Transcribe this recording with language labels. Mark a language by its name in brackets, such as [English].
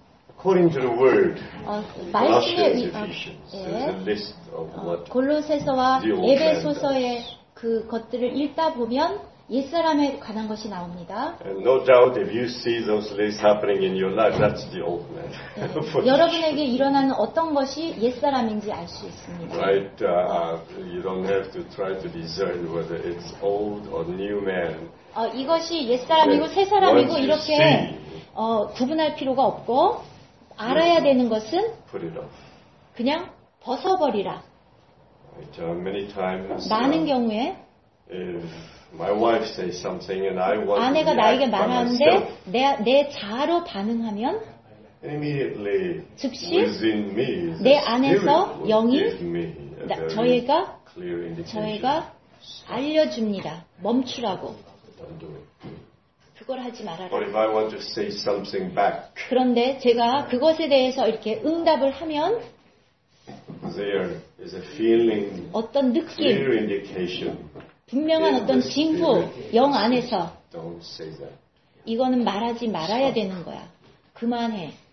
[English] according to the word, Colossians, Ephesians, a list of what [Korean] 그 것들을 읽다 보면 옛사람에 관한 것이 나옵니다. [English] And no doubt if you see those lists happening in your life, that's the old man. [Korean] 네. 여러분에게 일어나는 어떤 것이 옛사람인지 알 수 있습니다. [English] Right, you don't have to try to discern whether it's old or new man. [Korean] 이것이 옛사람이고 새사람이고 이렇게 구분할 필요가 없고 알아야 되는 것은 [English] put it off. [Korean] 그냥 벗어버리라. [English] Many times, [Korean] 많은 경우에 [English] if my wife says something and I want [Korean] 아내가 [English] to [Korean] 나에게 말하는데 [English] myself, [Korean] 내 자아로 반응하면 [English] immediately, [Korean] 즉시 [English] within me, [Korean] 내 안에서 영이 저희가 알려줍니다. 멈추라고. [English] Don't do it. [Korean] 그걸 하지 말아라. [English] But if I want to say something back, [Korean] 그런데 제가 그것에 대해서 이렇게 응답을 하면 [English] There is a feeling, [Korean] 어떤 느낌, [English] clear indication, [Korean] 분명한 어떤 징후, 영 안에서 [English] don't Don't say that. [Korean] 이거는 말하지 말아야 되는 거야. 그만해.